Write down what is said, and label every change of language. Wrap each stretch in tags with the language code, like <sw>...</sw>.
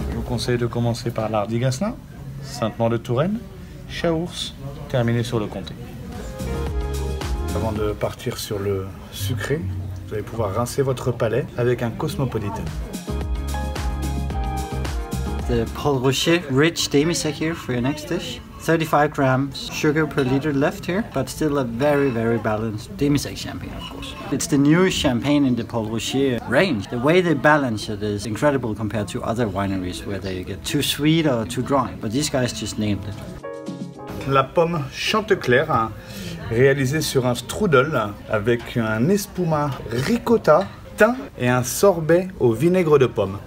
<fr>Je vous conseille de commencer par l'Ardigasna, Saint-Maur de Touraine, Chaours, terminé sur le Comté. Avant de partir sur le sucré, vous allez pouvoir rincer votre palais avec un cosmopolite.</fr> <en>The Paul Rocher Rich Demi-Sec here for your next dish. 35 grams sugar per liter left here, but still a very, very balanced demi-sec champagne, of course. It's the new champagne in the Paul Rocher range. The way they balance it is incredible compared to other wineries where they get too sweet or too dry, but these guys just named it.</en> <fr>La pomme Chanteclair, réalisée sur un strudel avec un espuma ricotta, thym et un sorbet au vinaigre de pomme.</fr>